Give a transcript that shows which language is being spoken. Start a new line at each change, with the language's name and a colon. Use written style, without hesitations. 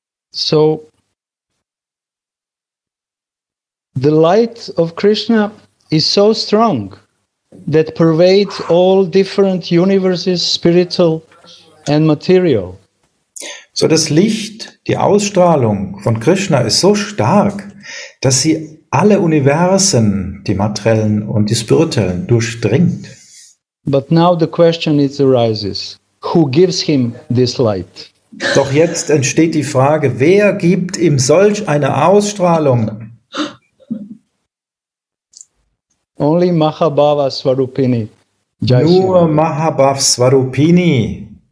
English: So, the light of Krishna is so strong that pervades all different universes, spiritual and material.
German: So, das Licht, die Ausstrahlung von Krishna ist so stark, dass sie alle Universen, die materiellen und die spirituellen, durchdringt.
English: But now the question arises, who gives him this light?
German: Doch jetzt entsteht die Frage, wer gibt ihm solch eine Ausstrahlung?
English: Only Mahabhava Swarupini.
German: Nur Mahabhava Swarupini.